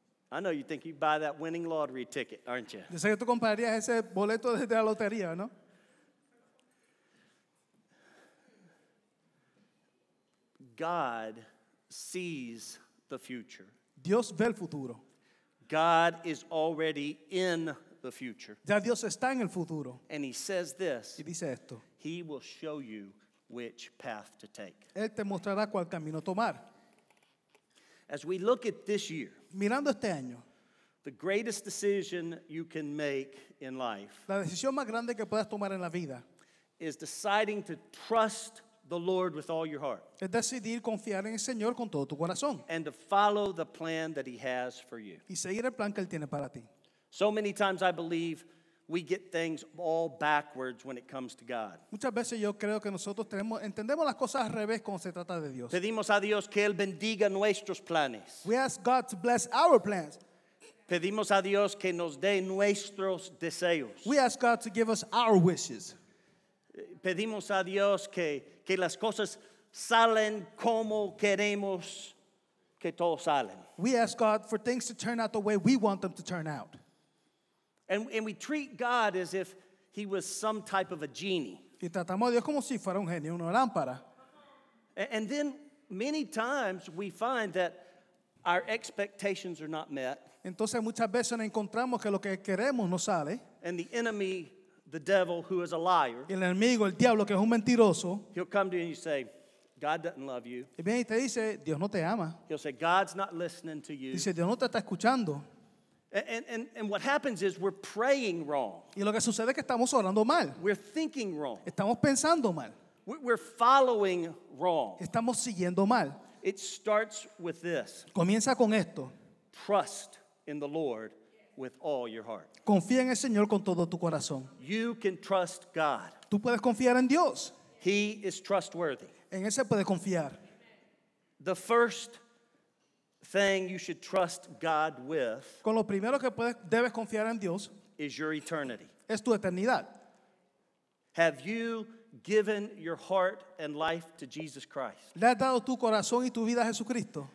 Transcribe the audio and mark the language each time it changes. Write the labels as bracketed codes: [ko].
[en] I know you think you'd buy that winning lottery ticket, aren't you? [es] Yo sé que tú comprarías ese boleto de la lotería, ¿no? [en] God sees the future. [es] Dios ve el futuro. [en] God is already in the future. [es] Ya Dios está en el futuro. [en] And He says this. [es] Y dice esto. [en] He will show you which path to take. [es] Él te mostrará cuál camino tomar. [en] As we look at this year. [es] Mirando este año. [en] The greatest decision you can make in life. [es] La decisión más grande que puedas tomar en la vida. [en] is deciding to trust the Lord with all your heart. [es] Es decidir confiar en el Señor con todo tu corazón. [en] And to follow the plan that he has for you. [es] Y seguir el plan que él tiene para ti. [en] So many times I believe we get things all backwards when it comes to God. [es] Muchas veces yo creo que nosotros tenemos entendemos las cosas al revés cuando se trata de Dios. Pedimos a Dios que él bendiga nuestros planes. [en] We ask God to bless our plans. [es] Pedimos a Dios que nos dé nuestros deseos. [en] We ask God to give us our wishes. [es] Pedimos a Dios que las cosas salen como queremos que todo salen. [en] We ask God for things to turn out the way we want them to turn out. And we treat God as if he was some type of a genie. [es] Y tratamos a Dios como si fuera un genio, una lámpara. [en] And then many times we find that our expectations are not met. [es] Entonces muchas veces nos encontramos que lo que queremos no sale. [en] And the enemy, the devil, who is a liar. [es] El enemigo, el diablo, que es un mentiroso. [en] He'll come to you and you say, God doesn't love you. [es] Y viene y te dice, Dios no te ama. [en] He'll say, God's not listening to you. [es] Dice, Dios no te está escuchando. [en] And what happens is we're praying wrong. [es] Y lo que sucede es que estamos orando mal. [en] We're thinking wrong. [es] Estamos pensando mal. [en] We're following wrong. [es] Estamos siguiendo mal. [en] It starts with this. [es] Comienza con esto. [en] Trust in the Lord with all your heart. [es] Confía en el Señor con todo tu corazón. [en] You can trust God. [es] Tú puedes confiar en Dios. [en] He is trustworthy. [es] En él se puede confiar. [en] The first thing you should trust God with. [es] Con lo primero que puedes debes confiar en Dios. [en] Is your eternity. [es] Es tu eternidad. [en] Have you given your heart and life to Jesus Christ? [es] ¿Le has dado tu corazón y tu vida a Jesucristo?